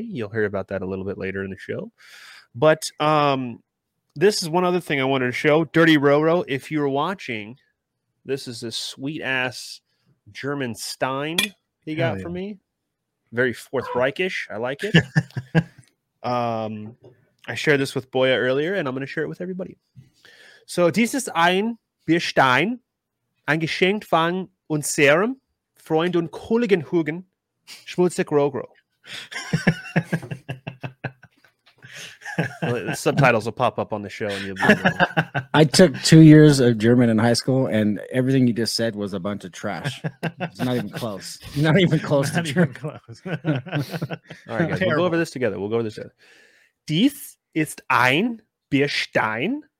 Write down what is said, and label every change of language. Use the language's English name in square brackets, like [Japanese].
[English] You'll hear about that a little bit later in the show. But this is one other thing I wanted to show. Dirty Roro, if you're watching, this is a sweet ass German Stein he got for me. Very Fourth Reichish. I like it. I shared this with Boya earlier, and I'm going to share it with everybody. [German] So, dies ist ein Bierstein, ein Geschenk von unserem Freund und Kollegen Hugen, Schmutzig Rogro. [English] Well, the subtitles will pop up on the show. And you'll be able to... I took 2 years of German in high school, and everything you just said was a bunch of trash. Not even close. Not even close to German. Even close. All right, guys. We'll go over this together. We'll go over this together. [German] Dies ist ein Bierstein.